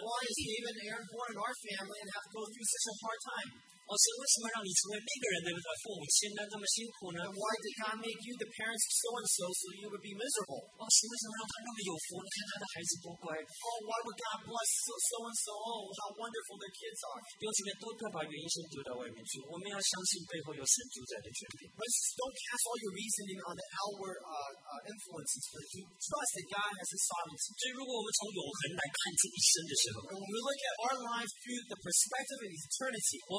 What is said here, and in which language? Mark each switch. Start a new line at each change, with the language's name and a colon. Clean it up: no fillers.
English: Why is he even airborne in our family and have to go through such a hard time?
Chinese: 所以为什么让你成为那个人的父母亲那么辛苦呢?
English: And why did God make you the parents of so-and-so so you would be miserable?
Chinese: 所以为什么让他那么有福呢?看他的孩子多乖。
English: Oh, why would God bless so-and-so? Oh, how wonderful their kids are.
Chinese: 弟兄姐妹,都要把原因先丢到外面去,我们要相信背后有圣主宰的权柄。
English: But don't cast all your reasoning on the outward influences, but to trust that God has His sovereignty.
Chinese: 所以如果我们从永恒来看这一生的时候,
English: and when we look at our lives through the perspective of eternity,